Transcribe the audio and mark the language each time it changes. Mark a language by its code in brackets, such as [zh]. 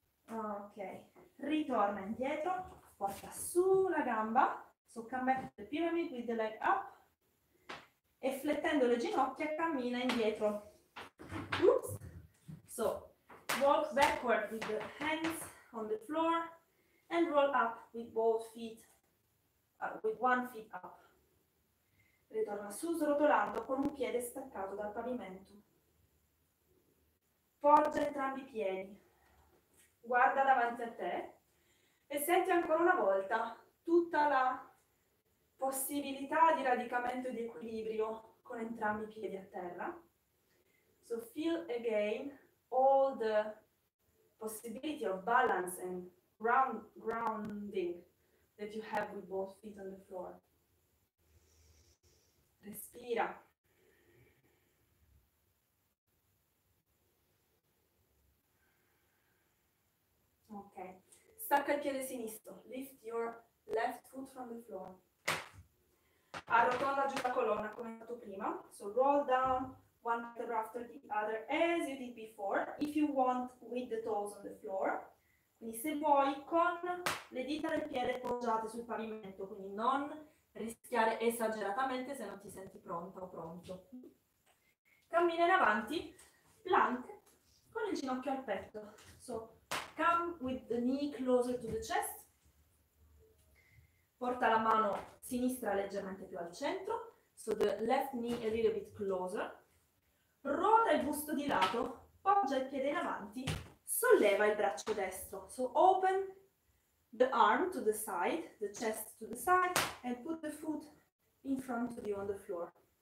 [it] Ok, ritorna indietro, porta su la gamba, [en] so come back to the pyramid with the leg up, [it] e flettendo le ginocchia cammina indietro. [en] Thank you. Oops. So, walk backward with the hands on the floor and roll up with both feet, with one foot up. [it] Ritorna su srotolando con un piede staccato dal pavimento. Poggia entrambi i piedi, guarda davanti a te e senti ancora una volta tutta la possibilità di radicamento e di equilibrio con entrambi i piedi a terra. [en] So feel again all the possibility of balance and grounding that you have with both feet on the floor. [it] Respira. [en] Ok, [it] stacca il piede sinistro, [en] lift your left foot from the floor. [it] Arrotonda giù la colonna come fatto prima, [en] so roll down one foot after the other as you did before, if you want with the toes on the floor. [it] Quindi se vuoi con le dita del piede poggiate sul pavimento, quindi non rischiare esageratamente se non ti senti pronta o pronto. Cammina in avanti, plank con il ginocchio al petto. [en] So, come with the knee closer to the chest. [it] Porta la mano sinistra leggermente più al centro. [en] So the left knee a little bit closer. [it] Ruota il busto di lato, poggia il piede in avanti, solleva il braccio destro. [en] So open the arm to the side, the chest to the side, and put the foot in front of you on the floor.